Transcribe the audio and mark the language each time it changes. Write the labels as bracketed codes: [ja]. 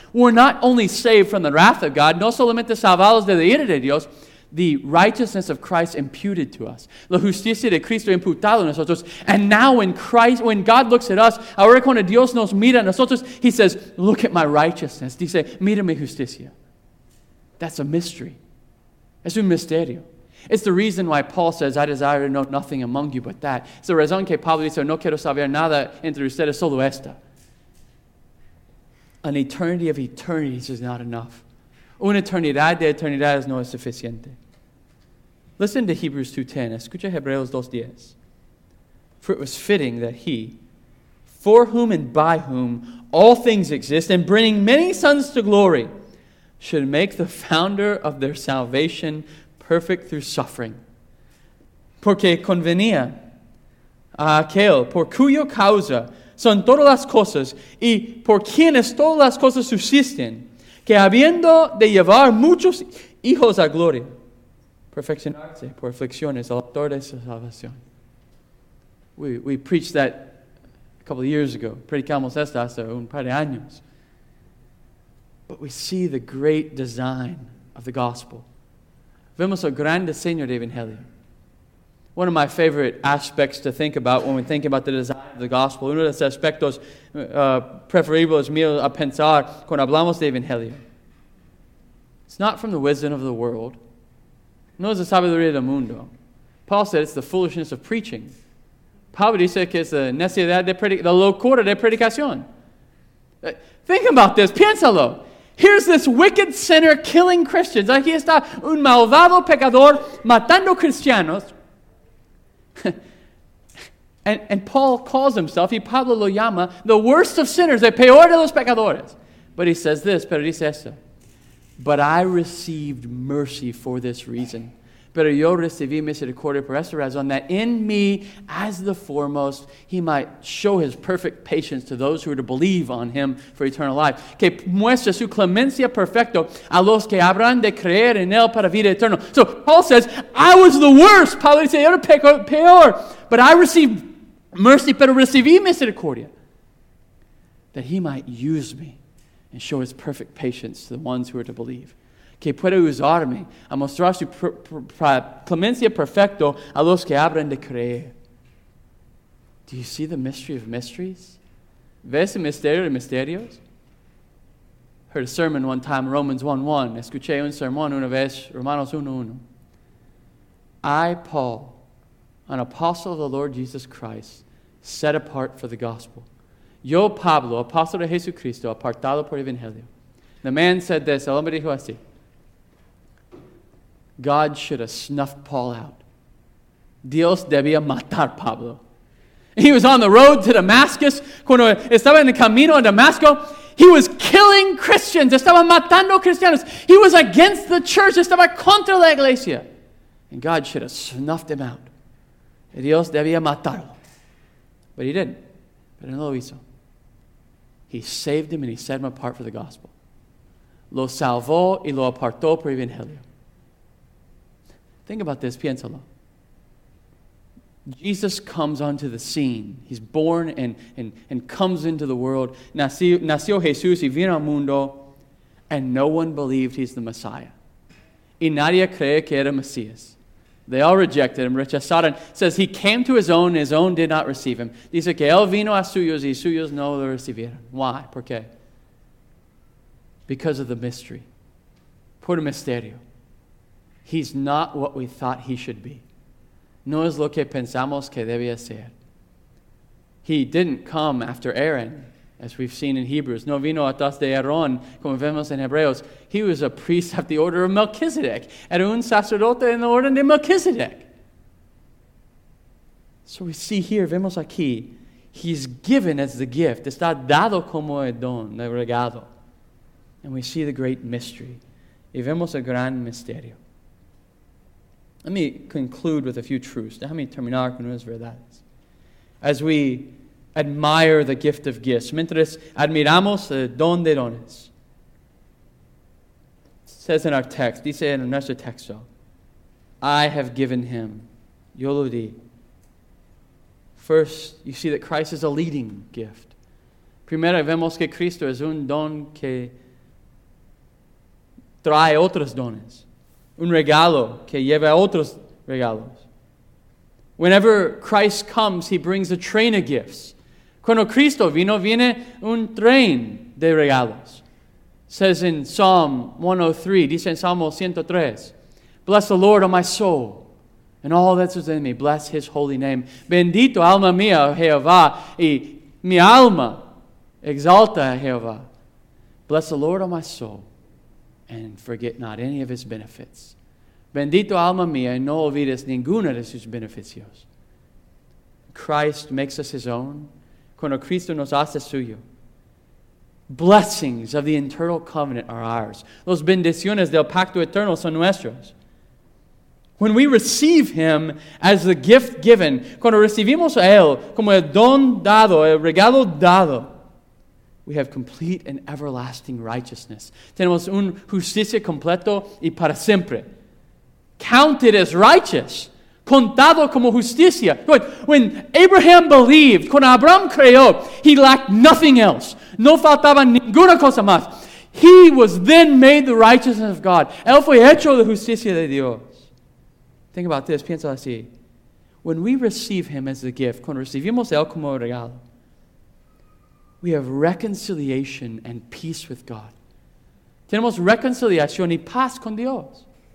[en] We're not only saved from the wrath of God. [es] No solamente salvados de la ira de Dios. [en] The righteousness of Christ imputed to us. [es] La justicia de Cristo imputado a nosotros. [en] And now when Christ, when God looks at us, [es] ahora cuando Dios nos mira a nosotros, [en] he says, look at my righteousness. [es] Dice, mira mi justicia. [en] That's a mystery. [es] Es un misterio. [en] It's the reason why Paul says, I desire to know nothing among you but that. [es] Es la razón que Pablo dice, no quiero saber nada entre ustedes, solo esta. [en] An eternity of eternities is not enough. [es] Una eternidad de eternidades no es suficiente. [en] Listen to Hebrews 2:10. [es] Escucha Hebreos 2:10. [en] For it was fitting that he, for whom and by whom all things exist, and bringing many sons to glory, should make the founder of their salvation perfect through suffering. [es] Porque convenía a aquel por cuyo causa son todas las cosas y por quienes todas las cosas subsisten, que habiendo de llevar muchos hijos a gloria, perfeccionarse por aflicciones, el autor de su salvación. [en] We preached that a couple of years ago. [es] Predicamos esta hace un par de años. [en] But we see the great design of the gospel. [es] Vemos el gran diseño del Evangelio. [en] One of my favorite aspects to think about when we think about the design of the gospel, [es] uno de los aspectos preferibles míos a pensar cuando hablamos de Evangelio. [en] It's not from the wisdom of the world. [es] No es la sabiduría del mundo. [en] Paul said it's the foolishness of preaching. [es] Pablo dice que es la necesidad de predicar, la locura de predicación. [en] Think about this, [es] piénsalo. [en] Here's this wicked sinner killing Christians. [es] Aquí está un malvado pecador matando cristianos. [en] And Paul calls himself, [es] y Pablo lo llama, [en] the worst of sinners, [es] el peor de los pecadores. [en] But he says this, [es] pero dice esto. [en] But I received mercy for this reason. [es] Pero yo recibí misericordia por esta razón, [en] that in me, as the foremost, he might show his perfect patience to those who are to believe on him for eternal life. [es] Que muestre su clemencia perfecto a los que habrán de creer en él para vida eterna. [en] So Paul says, I was the worst. [es] Pablo dice, yo era peor. [en] But I received mercy, [es] pero recibí misericordia. [en] That he might use me and show his perfect patience to the ones who are to believe. [es] Que puede usarme a mostrar su clemencia perfecto a los que abren de creer. [en] Do you see the mystery of mysteries? [es] ¿Ves el misterio de misterios? [en] Heard a sermon one time, Romans 1:1. [es] Escuché un sermón una vez, Romanos 1:1. [en] I, Paul, an apostle of the Lord Jesus Christ, set apart for the gospel. [es] Yo, Pablo, apóstol de Jesucristo, apartado por el Evangelio. [en] The man said this, [es] el hombre dijo así. [en] God should have snuffed Paul out. [es] Dios debía matar Pablo. [en] He was on the road to Damascus. [es] Cuando estaba en el camino a Damasco, [en] he was killing Christians. [es] Estaba matando cristianos. [en] He was against the church. [es] Estaba contra la iglesia. [en] And God should have snuffed him out. [es] Dios debía matarlo. [en] But he didn't. [es] Pero no lo hizo. [en] He saved him and he set him apart for the gospel. [es] Lo salvó y lo apartó por el Evangelio. [en] Think about this, [es] piénsalo. [en] Jesus comes onto the scene. He's born and comes into the world. [es] Nació Jesús y vino al mundo. [en] And no one believed he's the Messiah. [es] Y nadie cree que era Mesías. [en] They all rejected him, [es] rechazaron. [en] It says he came to his own did not receive him. [es] Dice que él vino a suyos y suyos no lo recibieron. [en] Why? [es] ¿Por qué? [en] Because of the mystery. [es] Por el misterio. [en] He's not what we thought he should be. [es] No es lo que pensamos que debía ser. [en] He didn't come after Aaron, as we've seen in Hebrews. [es] No vino atrás de Aarón, como vemos en Hebreos. [en] He was a priest of the order of Melchizedek. [es] Era un sacerdote en la orden de Melchizedek. [en] So we see here, [es] vemos aquí, [en] he's given as the gift. [es] Está dado como el don, el regalo. [en] And we see the great mystery. [es] Y vemos el gran misterio. [en] Let me conclude with a few truths. [es] Déjame terminar con unas verdades. [en] As we admire the gift of gifts, [es] mientras admiramos el don de dones. [en] Says in our text, [es] dice en nuestro texto, [en] I have given him, [es] yo lo di. [en] First, you see that Christ is a leading gift. [es] Primero, vemos que Cristo es un don que trae otros dones. Un regalo que lleva otros regalos. [en] Whenever Christ comes, he brings a train of gifts. [es] Cuando Cristo vino, viene un tren de regalos. [en] Says in Psalm 103, [es] dice en Salmo 103, [en] bless the Lord, O my soul, and all that is in me, bless his holy name. [es] Bendito alma mía, Jehová, y mi alma exalta a Jehová. [en] Bless the Lord, O my soul, and forget not any of his benefits. [es] Bendito alma mía, y no olvides ninguna de sus beneficios. [en] Christ makes us his own. [es] Cuando Cristo nos hace suyo. [en] Blessings of the eternal covenant are ours. [es] Los bendiciones del pacto eterno son nuestros. [en] When we receive him as the gift given, [es] cuando recibimos a él como el don dado, el regalo dado, [en] we have complete and everlasting righteousness. [es] Tenemos un justicia completo y para siempre. [en] Counted as righteous. [es] Contado como justicia. [en] When Abraham believed, [es] cuando Abraham creyó, [en] he lacked nothing else. [es] No faltaba ninguna cosa más. [en] He was then made the righteousness of God. [es] Él fue hecho la justicia de Dios. [en] Think about this. [es] Piensa así. [en] When we receive him as a gift, [es] cuando recibimos él como regalo, [en] we have reconciliation and peace with God. [es] Tenemos reconciliación y paz con Dios.